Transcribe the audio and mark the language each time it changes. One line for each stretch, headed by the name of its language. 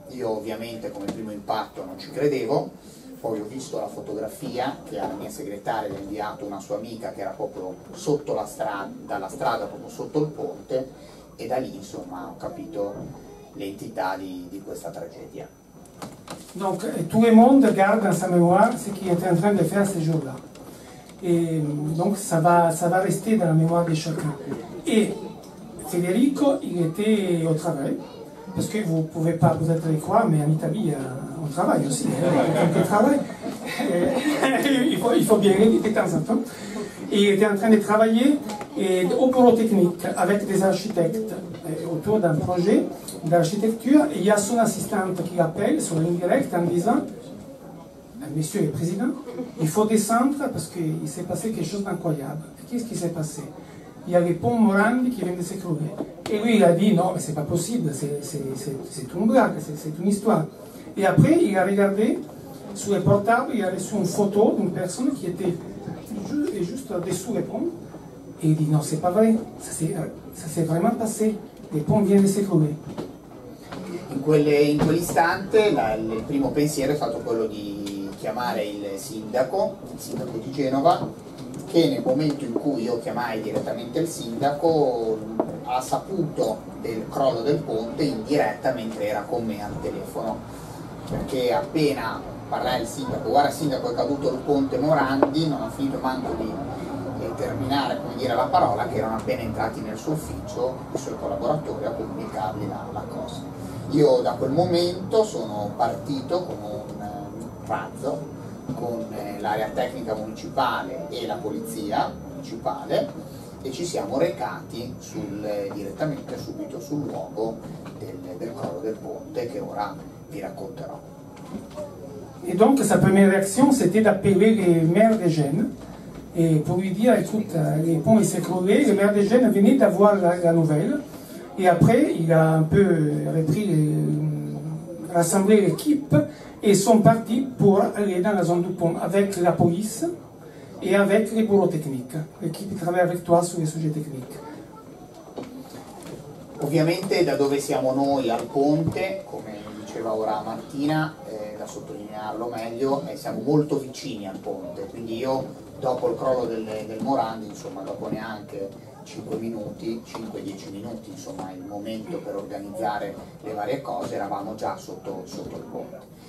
Italian: Io ovviamente come primo impatto non ci credevo. Poi ho visto la fotografia che alla mia segretaria ha inviato una sua amica, che era proprio sotto la strada, dalla strada proprio sotto il ponte, e da lì insomma ho capito l'entità di questa tragedia.
French: Donc, tout le monde garde en sa mémoire ce qui était en train de faire ce jour-là. Et donc, ça va rester dans la mémoire de chacun. Et Federico, il était au travail, parce que vous ne pouvez pas vous être quoi, mais en Italie, on travaille aussi. il faut bien aider de temps en temps. Et il était en train de travailler au bureau technique avec des architectes autour d'un projet d'architecture. Et il y a son assistante qui appelle sur la ligne directe en disant: Monsieur le Président, il faut descendre parce qu'il s'est passé quelque chose d'incroyable. Qu'est-ce qui s'est passé? Il y a le pont Morandi qui vient de s'écrouler. Et lui, il a dit: non, mais c'est pas possible, c'est une blague, c'est une histoire. Et après, il a regardé sur le portable, il a reçu une photo d'une personne qui était juste dessous le pont. Et il dit: non, c'est pas vrai, ça s'est vraiment passé, le pont vient de s'écrouler.
Italian: In quell'istante, il primo pensiero è stato quello di chiamare il sindaco di Genova, che nel momento in cui io chiamai direttamente il sindaco ha saputo del crollo del ponte in diretta mentre era con me al telefono, perché appena parlai al sindaco: guarda sindaco, è caduto il ponte Morandi, non ho finito manco di terminare, come dire, la parola, che erano appena entrati nel suo ufficio i suoi collaboratori a comunicargli la cosa. Io da quel momento sono partito con un razzo con l'area tecnica municipale e la polizia municipale, e ci siamo recati direttamente sul luogo del crollo del ponte, che ora vi racconterò.
French: E donc sa première réaction c'était d'appeler le maire de Gênes et pour lui dire: écoute, le pont il s'est crevé. Le maire de Gênes venait d'avoir la nouvelle, et après il a un peu repris, rassemblé l'équipe et sont partis pour aller dans la zone du pont avec la police et avec les bureaux techniques, l'équipe qui travaille avec toi sur les sujets techniques.
Italian: Ovviamente da dove siamo noi al ponte, come diceva ora Martina, da sottolinearlo meglio, siamo molto vicini al ponte, quindi io dopo il crollo del Morandi, insomma dopo neanche 5-10 minuti, insomma il momento per organizzare le varie cose, eravamo già sotto il ponte.